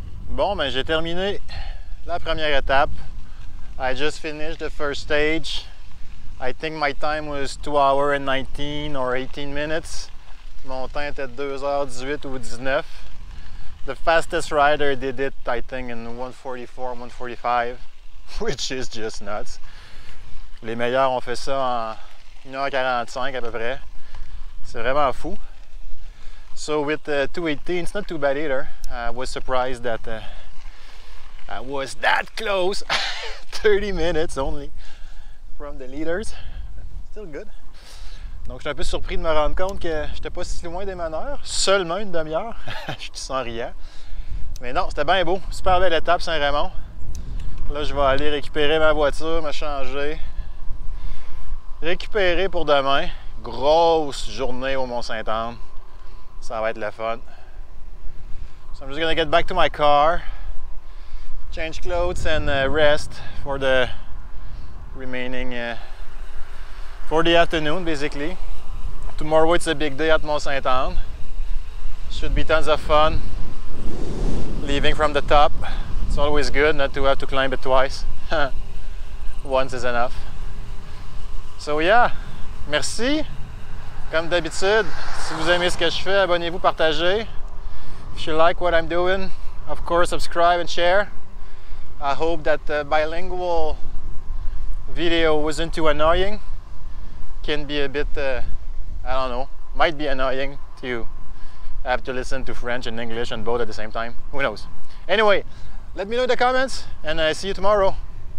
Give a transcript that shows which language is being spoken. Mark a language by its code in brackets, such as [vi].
[fr] Bon, ben, j'ai terminé la première étape. [en] I just finished the first stage. I think my time was 2 hours and 19 or 18 minutes. [fr] Mon temps était 2h18 ou 19. [en] The fastest rider did it, I think, in 1:44, 1:45, which is just nuts. [fr] Les meilleurs ont fait ça en 1h45 à peu près. C'est vraiment fou. [en] So with 2:18, it's not too bad either. I was surprised that I was that close, 30 minutes only from the leaders. Still good. [fr] Donc, je suis un peu surpris de me rendre compte que j'étais pas si loin des meneurs. Seulement une demi-heure. Je suis sans rien. Mais non, c'était bien beau. Super belle étape, Saint-Raymond. Là, je vais aller récupérer ma voiture, me changer. Récupérer pour demain. Grosse journée au Mont-Saint-Anne. ça va être le fun. [en] So I'm just gonna get back to my car, change clothes and rest for the remaining for the afternoon basically. Tomorrow it's a big day at Mont-Saint-Anne. Should be tons of fun leaving from the top. It's always good not to have to climb it twice. Once is enough. So yeah, [fr] merci. Comme d'habitude, si vous aimez ce que je fais, abonnez-vous, partagez. [en] If you like what I'm doing, of course, subscribe and share. I hope that the bilingual video wasn't too annoying. Can be a bit, I don't know, might be annoying to you. Have to listen to French and English and both at the same time. Who knows? Anyway, let me know in the comments and I see you tomorrow.